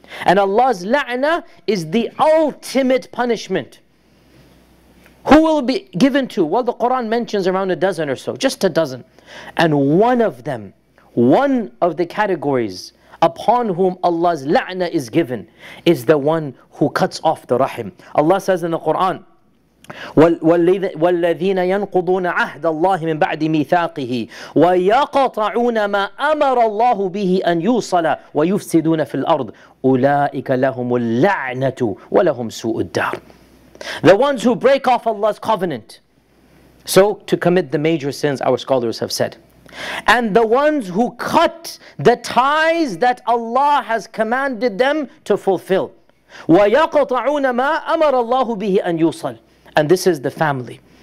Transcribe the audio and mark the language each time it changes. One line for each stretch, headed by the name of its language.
English: And Allah's la'na is the ultimate punishment. Who will be given to? Well, the Quran mentions around a dozen or so, just a dozen. And one of them, one of the categories upon whom Allah's la'na is given is the one who cuts off the rahim. Allah says in the Quran,
Arabic: وَالَّذِينَ يَنْقُضُونَ عَهْدَ اللَّهِ مِنْ بَعْدِ مِيثَاقِهِ وَيَقَطَعُونَ مَا أَمَرَ اللَّهُ بِهِ أَنْ يُوصَلَ وَيُفْسِدُونَ فِي الْأَرْضِ أُولَٰئِكَ لَهُمُ اللَّعْنَةُ وَلَهُمْ سُوءُ الدَّارِ.
English: The ones who break off Allah's covenant. So to commit the major sins, our scholars have said. And the ones who cut the ties that Allah has commanded them to fulfill.
Arabic: وَيَقَطَعُونَ مَا أَمَرَ اللَّهُ بِهِ أَنْ يُوصَلَ.
English: And this is the family.